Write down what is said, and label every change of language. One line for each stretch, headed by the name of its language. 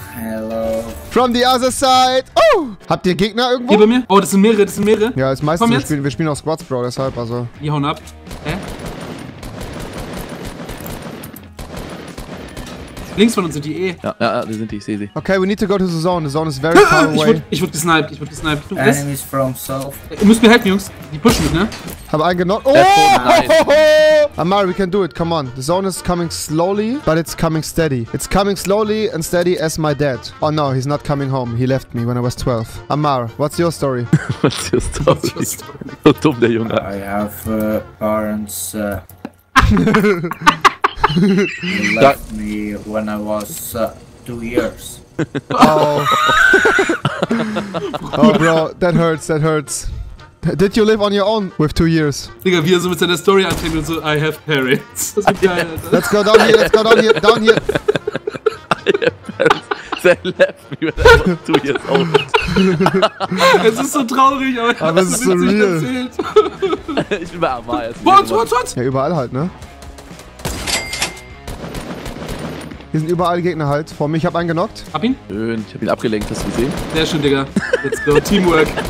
English: Hello. From the other side.
German: Oh, habt ihr Gegner irgendwo? Hier bei mir. Oh, das sind mehrere. Ja, ist meistens, wir spielen auch Squads, Bro, deshalb, also. Die hauen ab. Hä? Links von uns sind die eh. Ja, ja, die sind die, ich seh sie.
English: Okay, we need to go to the zone. The zone is very far away.
German: Ich wurde gesniped.
English: Du, enemies das? From south.
German: Ihr müsst mir helfen, Jungs. Die pushen mich, ne? Hab einen genommen. Oh!
English: Nice. Amari, we can do it. Come on. The zone is coming slowly, but it's coming steady. It's coming slowly and steady as my dad. Oh no, he's not coming home. He left me when I was 12. Amar, what's your story?
German: So dumm, der Junge.
English: I have parents. He left me when I was 2 years. Oh. Oh, bro, that hurts, that hurts. Did you live on your own with 2 years?
German: Digga, wie er so mit seiner Story anfängt und so,
English: I have parents. Let's go down here, let's go down here, down here. I have parents. They left me when I was 2 years old.
German: Es ist so traurig, aber es ist so real. Erzählt. Ich bin bei Amar jetzt.
English: What?
German: Ja, überall halt, ne? Hier sind überall Gegner halt. Vor mir, ich hab einen genockt. Hab ihn? Schön, ich hab ihn abgelenkt, hast du gesehen? Sehr schön, Digga.
English: Let's go.
German: Teamwork.